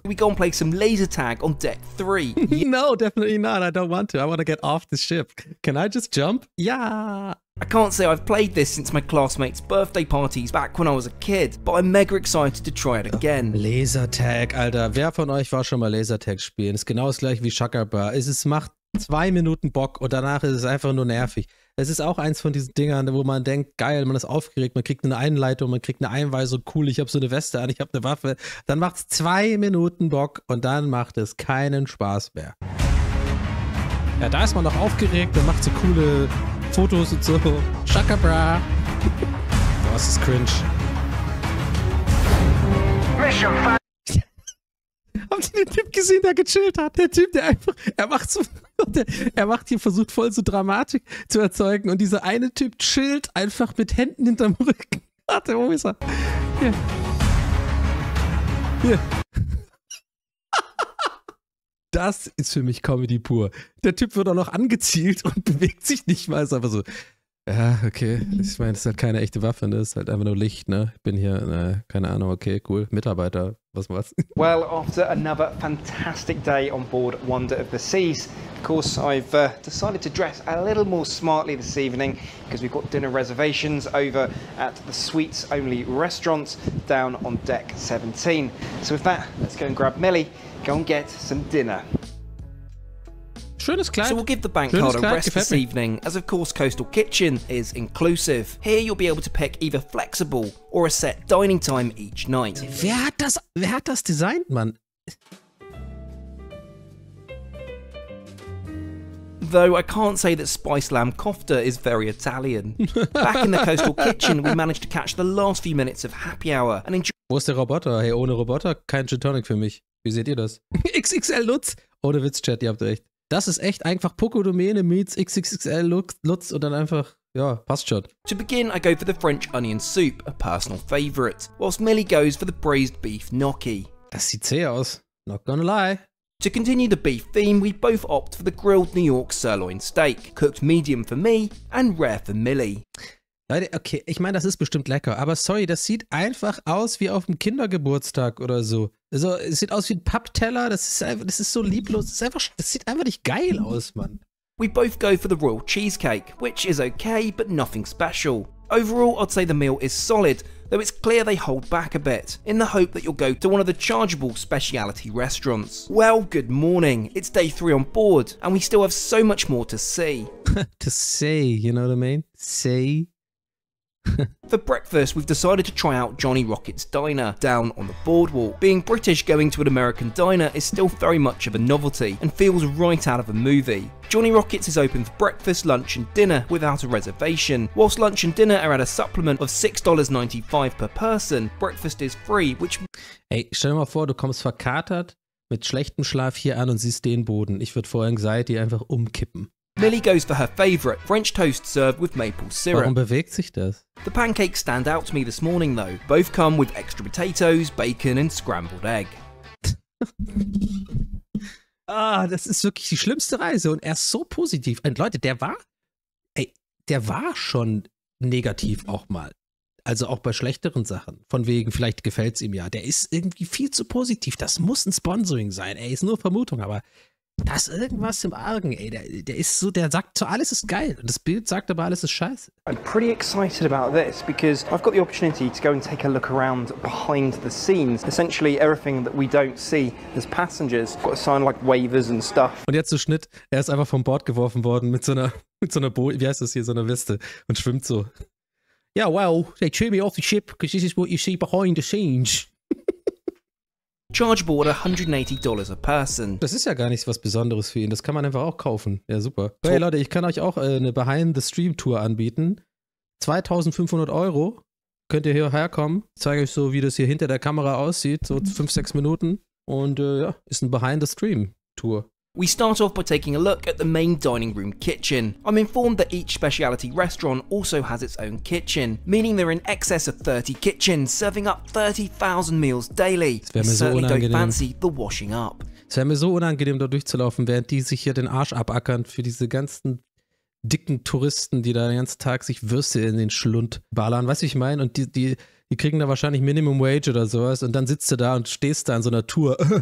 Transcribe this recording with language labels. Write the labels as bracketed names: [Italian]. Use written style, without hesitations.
[English] We go and play some laser tag on deck 3. No, definitely not, I don't want to. I want to get off the ship. Can I just jump? Yeah. I can't say I've played this since my classmates' birthday parties back when I was a kid, but I'm mega excited to try it again. [German] Laser Tag, Alter. Wer von euch war schon mal Laser Tag spielen? Ist genau das gleiche wie Shakarbar. Es macht 2 Minuten Bock und danach ist es einfach nur nervig. Es ist auch eins von diesen Dingern, wo man denkt, geil, man ist aufgeregt, man kriegt eine Einleitung, man kriegt eine Einweisung, cool, ich habe so eine Weste an, ich habe eine Waffe. Dann macht es 2 Minuten Bock und dann macht es keinen Spaß mehr. Ja, da ist man noch aufgeregt, man macht so coole Fotos und so. Shaka bra. Boah, ist das cringe. Habt ihr den Typ gesehen, der gechillt hat? Der Typ, der einfach, versucht voll so Dramatik zu erzeugen und dieser eine Typ chillt einfach mit Händen hinterm Rücken. Warte, wo ist er? Hier. Das ist für mich Comedy pur. Der Typ wird auch noch angezielt und bewegt sich nicht mal. Ist einfach so. Ja, okay. Ich meine, das ist halt keine echte Waffe, ne? Das ist halt einfach nur Licht, ne? Ich bin hier, ne? Keine Ahnung, okay, cool. Mitarbeiter, was? [English] Well, after another fantastic day on board Wonder of the Seas, of course, I've decided to dress a little more smartly this evening, because we've got dinner reservations over at the Suites Only restaurant down on deck 17. So with that, let's go and grab Millie, go and get some dinner. [German] Schönes Kleid. [English] So we'll give the bank card a rest this evening, as of course Coastal Kitchen is inclusive. Here you'll be able to pick either flexible or a set dining time each night. [German] Wer hat das designed, man? [English] Though I can't say that spiced lamb kofta is very Italian. Back in the Coastal Kitchen, we managed to catch the last few minutes of happy hour and enjoy. [German] Wo ist der Roboter? Hey, ohne Roboter kein Gin Tonic für mich. Wie seht ihr das? XXL Lutz. Ohne Witz, Chat, ihr habt recht. Das ist echt einfach Poco Domäne meets XXXL Lutz und dann einfach, ja, passt schon. [English] To begin, I go for the French onion soup, a personal favorite, whilst Millie goes for the braised beef gnocchi. [German] Das sieht zäh aus, [English] not gonna lie. To continue the beef theme, we both opt for the grilled New York sirloin steak, cooked medium for me and rare for Millie. [German] Leute, okay, ich meine, das ist bestimmt lecker, aber sorry, das sieht einfach aus wie auf dem Kindergeburtstag oder so. Also, es sieht aus wie ein Pappteller, das ist so lieblos, das sieht einfach nicht geil aus, Mann. [English] We both go for the Royal Cheesecake, which is okay, but nothing special. Overall, I'd say the meal is solid, though it's clear they hold back a bit, in the hope that you'll go to one of the chargeable speciality restaurants. Well, good morning, it's day 3 on board, and we still have so much more to see. To see, you know what I mean? See? For breakfast, we've decided to try out Johnny Rocket's diner down on the boardwalk. Being British, going to an American diner is still very much of a novelty and feels right out of a movie. Johnny Rockets is open for breakfast, lunch and dinner without a reservation. Whilst lunch and dinner are at a supplement of $6.95 per person, breakfast is free, which... [German] Ey, stell dir mal vor, du kommst verkatert mit schlechtem Schlaf hier an und siehst den Boden. Ich würde vor Anxiety einfach umkippen. [English] Lily goes for her favourite, French toast served with maple syrup. [German] Warum bewegt sich das? [English] The pancakes stand out to me this morning though. Both come with extra potatoes, bacon and scrambled egg. [German] Ah, das ist wirklich die schlimmste Reise und er ist so positiv. Und Leute, der war schon negativ auch mal. Also auch bei schlechteren Sachen. Von wegen, vielleicht gefällt es ihm ja. Der ist irgendwie viel zu positiv. Das muss ein Sponsoring sein. Ey, ist nur Vermutung, aber... Da ist irgendwas im Argen, ey. Der ist so, der sagt so, alles ist geil. Und das Bild sagt aber, alles ist scheiße. [English] I'm pretty excited about this because I've got the opportunity to go and take a look around behind the scenes. Essentially everything that we don't see as passengers. Got a sign like waivers and stuff. [German] Und jetzt so Schnitt, er ist einfach vom Bord geworfen worden mit so einer Weste und schwimmt so. [English] Yeah, well, they threw me off the ship because this is what you see behind the scenes. Chargeable at $180 a person. [German] Das ist ja gar nichts was Besonderes für ihn. Das kann man einfach auch kaufen. Ja, super. Hey Leute, ich kann euch auch eine Behind-the-Stream-Tour anbieten. 2.500 €. Könnt ihr hierher kommen. Ich zeige euch so, wie das hier hinter der Kamera aussieht. So 5-6 Minuten. Und ja, ist ein Behind-the-Stream-Tour. [English] We start off by taking a look at the main dining room kitchen. I'm informed that each specialty restaurant also has its own kitchen, meaning there are in excess of 30 kitchens serving up 30,000 meals daily. We certainly so don't fancy the washing up. [German] Es wäre mir so unangenehm, da durchzulaufen, während die sich hier den Arsch abackern für diese ganzen dicken Touristen, die da den ganzen Tag sich Würste in den Schlund ballern. Weißt du, ich meine? Und die kriegen da wahrscheinlich Minimum Wage oder sowas und dann sitzt du da und stehst da in so einer Tour.